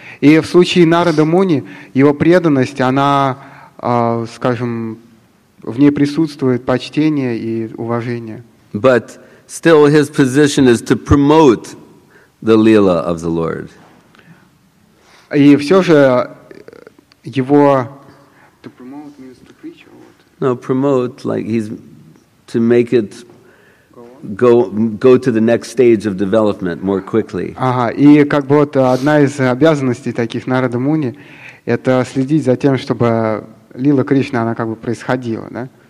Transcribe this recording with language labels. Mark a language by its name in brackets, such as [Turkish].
[Russian] И в случае Нарада Муни его преданность, она, скажем, в ней присутствует почтение и уважение. [English] But still, his position is to promote the Leela of the Lord. [Russian] И все же его. [English] To promote means to preach or what? No, promote like he's to make it. Go to the next stage of development more quickly. [Russian] Ага, и как бы вот одна из обязанностей таких Нарада Муни это следить за тем, чтобы лила Кришна она как бы происходила, да?